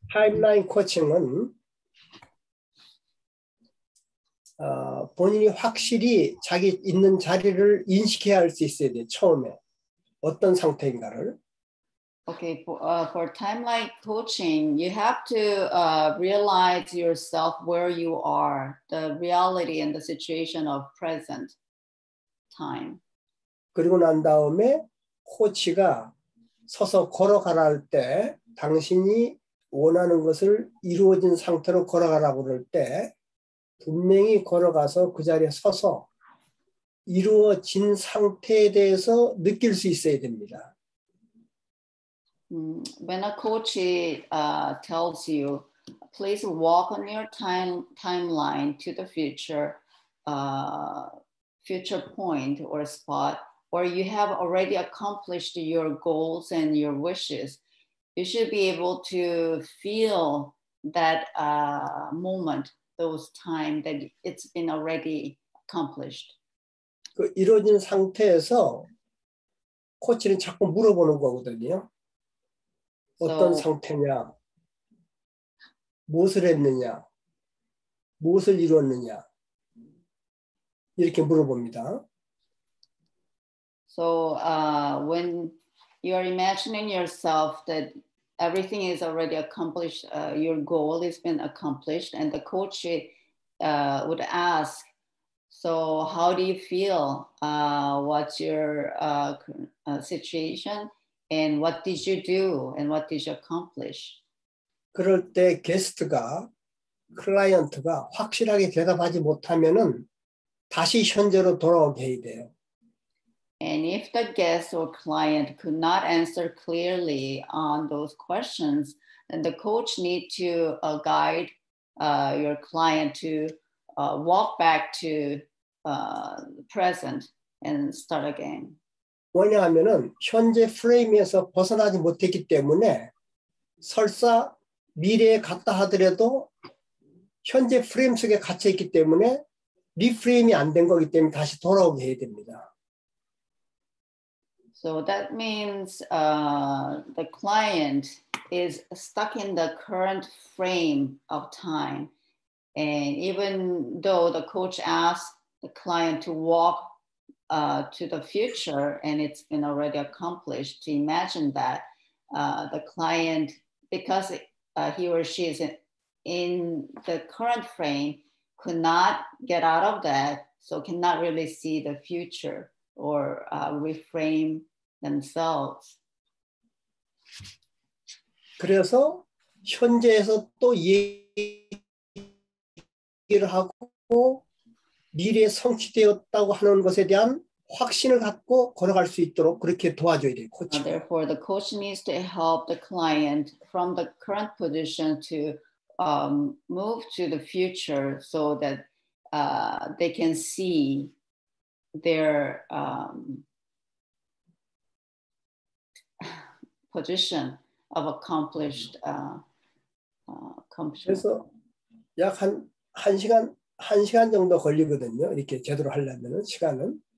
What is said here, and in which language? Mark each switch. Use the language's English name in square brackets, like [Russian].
[Korean] 타임라인 코칭은 본인이 확실히 자기 있는 자리를 인식해야 할 수 있어야 돼. 처음에 어떤 상태인가를. [English] Okay, for timeline coaching, you have to realize yourself where you are, the reality and the situation of present time. [Korean] 그리고 난 다음에 코치가 서서 걸어가라 할 때, 당신이 원하는 것을 이루어진 상태로 걸어가라고 그럴 때. 분명히 걸어가서 그 자리에 서서 이루어진 상태에 대해서 느낄 수 있어야 됩니다. [English] When a coach tells you, please walk on your timeline to the future, future point or spot, or you have already accomplished your goals and your wishes, you should be able to feel that moment. Those time that it's been already accomplished. [Korean] 그 이루어진 상태에서 코치는 자꾸 물어보는 거거든요. 어떤 상태냐, 무엇을 했느냐, 무엇을 이루었느냐 이렇게 물어봅니다. [English] So when you are imagining yourself that everything is already accomplished, your goal has been accomplished, and the coach would ask, so how do you feel? What's your situation? And what did you do? And what did you accomplish? [Korean] 그럴 때 게스트가, 클라이언트가 확실하게 대답하지 못하면은 다시 현재로 돌아오게 해야 돼요. [English] And if the guest or client could not answer clearly on those questions, then the coach need to guide your client to walk back to the present and start again. [Korean] 왜냐하면은 현재 프레임에서 벗어나지 못했기 때문에 설사 미래에 갔다 하더라도 현재 프레임 속에 갇혀 있기 때문에 리프레임이 안 된 거기 때문에 다시 돌아오게 해야 됩니다. [English] So that means the client is stuck in the current frame of time. And even though the coach asked the client to walk to the future and it's been already accomplished, to imagine that the client, because he or she is in the current frame, could not get out of that, so cannot really see the future or reframe themselves. [Korean] 그래서 현재에서 또 얘기를 하고 미래에 성취되었다고 하는 것에 대한 확신을 갖고 걸어갈 수 있도록 그렇게 도와줘야 돼요, 코치. [English] Therefore, the coach needs to help the client from the current position to move to the future so that they can see their position of accomplished accomplishment. [Korean] 그래서 약 한 시간 한 시간 정도 걸리거든요. 이렇게 제대로 하려면은 시간은.